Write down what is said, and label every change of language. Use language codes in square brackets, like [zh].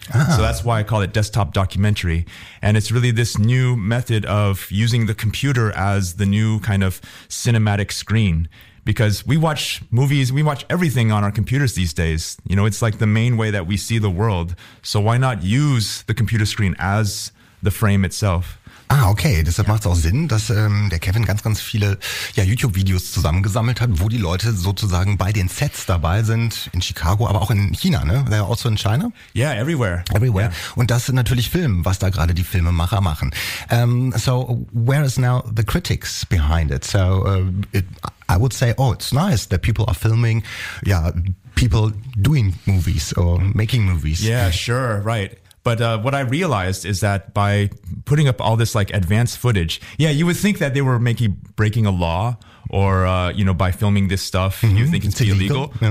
[en] Ah. So that's why I call it desktop documentary. And it's really this new method of using the computer as the new kind of cinematic screen. Because we watch movies, we watch everything on our computers these days. You know, it's like the main way that we see the world. So why not use the computer screen as the frame itself? Ah, okay. [de] Deshalb macht es auch Sinn, dass der Kevin ganz, ganz viele YouTube-Videos zusammengesammelt hat, wo die Leute sozusagen bei den Sets dabei sind, in Chicago, aber auch in China, ne? Also in China? [en] Yeah, everywhere. Everywhere. Yeah. [de] Und das sind natürlich Filme, was da gerade die Filmemacher machen. [en] So, where is now the critics behind it? So, I would say, oh, it's nice that people are filming, people doing movies or making movies. Yeah, sure, right. But what I realized is that by putting up all this like advanced footage, you would think that they were maybe breaking a law or, by filming this stuff, mm-hmm. you think it's illegal. Yeah.